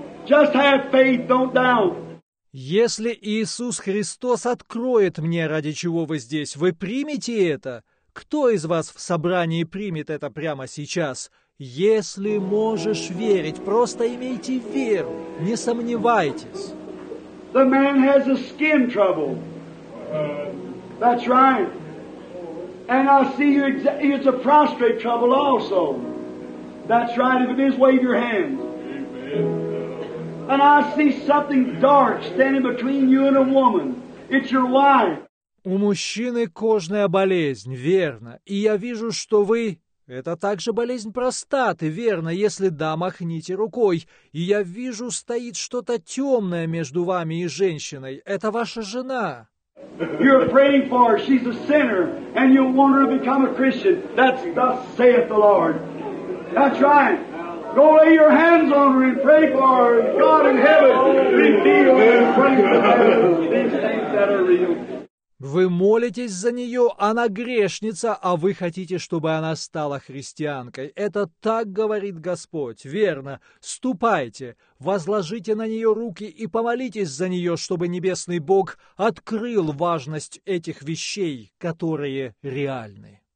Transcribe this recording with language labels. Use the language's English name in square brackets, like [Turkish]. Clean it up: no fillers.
[English] Just have faith, don't doubt. [Russian] Если Иисус Христос откроет мне, ради чего вы здесь, вы примете это? Кто из вас в собрании примет это прямо сейчас? Если можешь верить, просто имейте веру, не сомневайтесь. [English] The man has a skin trouble. That's right. And I see you, it's a prostrate trouble also. That's right, if it is, wave your hand. And I see something dark standing between you and a woman. It's your wife. [Russian] У мужчины кожная болезнь, верно. И я вижу, что вы... Это также болезнь простаты, верно. Если да, махните рукой. И я вижу, стоит что-то темное между вами и женщиной. Это ваша жена. [English] You're praying for her. She's a sinner. And you want her to become a Christian. That's thus saith the Lord. That's right. Go lay your hands on her and pray for her. God in heaven, reveal her and pray for her. These things that are real. [Russian] Вы молитесь за нее, она грешница, а вы хотите, чтобы она стала христианкой. Это так говорит Господь, верно? Ступайте, возложите на нее руки и помолитесь за нее, чтобы небесный Бог открыл важность этих вещей, которые реальны.